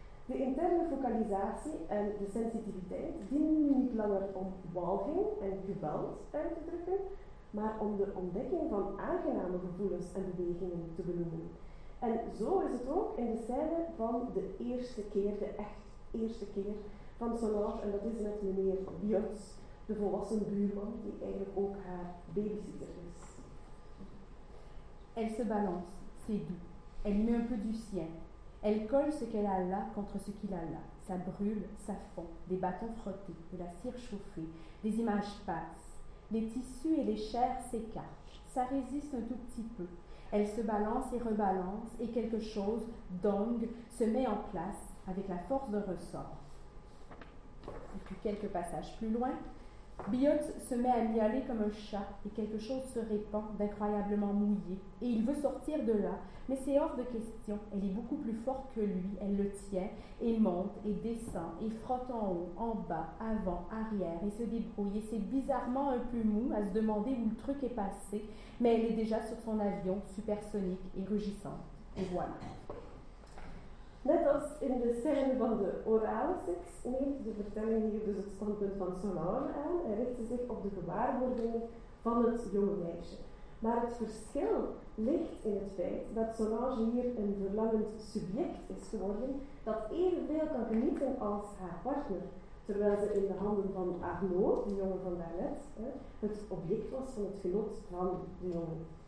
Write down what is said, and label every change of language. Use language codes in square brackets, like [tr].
[nl] De interne focalisatie en de sensitiviteit dienen nu niet langer om walging en geweld uit te drukken, maar om de ontdekking van aangename gevoelens en bewegingen te benoemen. En zo is het ook in de scène van de eerste keer, de echt eerste keer van Solange, en dat is met meneer Jutz, de volwassen buurman, die eigenlijk ook haar babysitter is. [fr] Elle se balance, c'est doux. Elle met un peu du sien. Elle colle ce qu'elle a là contre ce qu'il a là. Ça brûle, ça fond, des bâtons frottés, de la cire chauffée, des images passent. Les tissus et les chairs s'écartent. Ça résiste un tout petit peu. Elle se balance et rebalance et quelque chose, dong, se met en place avec la force d'un ressort. Et puis quelques passages plus loin, Biot se met à miauler comme un chat et quelque chose se répand d'incroyablement mouillé et il veut sortir de là, mais c'est hors de question, elle est beaucoup plus forte que lui, elle le tient et monte et descend et frotte en haut, en bas, avant, arrière et se débrouille et c'est bizarrement un peu mou à se demander où le truc est passé, mais elle est déjà sur son avion supersonique et rugissante. Et voilà. [nl] Net als in de scène van de orale seks neemt de vertelling hier dus het standpunt van Solange aan en richt ze zich op de gewaarwordingen van het jonge meisje. Maar het verschil ligt in het feit dat Solange hier een verlangend subject is geworden dat evenveel kan genieten als haar partner, terwijl ze in de handen van Arnaud, de jongen van daarnet, het object was van het genot van de jongen.